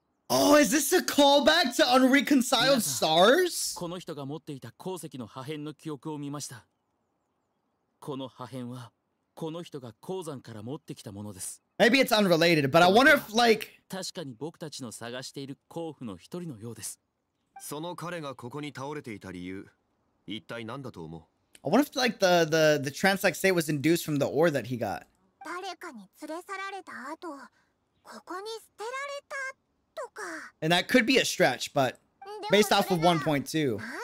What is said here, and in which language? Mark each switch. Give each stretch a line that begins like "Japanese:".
English: Oh, is this a callback to Unreconciled Stars?
Japanese: この人が持っていた鉱石の破片の記憶を見ました。この破片はこの人が鉱山から持ってきたものです。
English: Maybe it's unrelated, but I wonder if like
Japanese: 確かに僕たちの探している甲府の一人のようです。その彼がここに倒れていた理由、一体何だと思う？
English: I wonder if like the trance-like state was induced from the ore that he got.
Japanese: 誰かに連れ去られた後、ここに捨てられた。
English: And that could be a stretch, but based off of 1.2.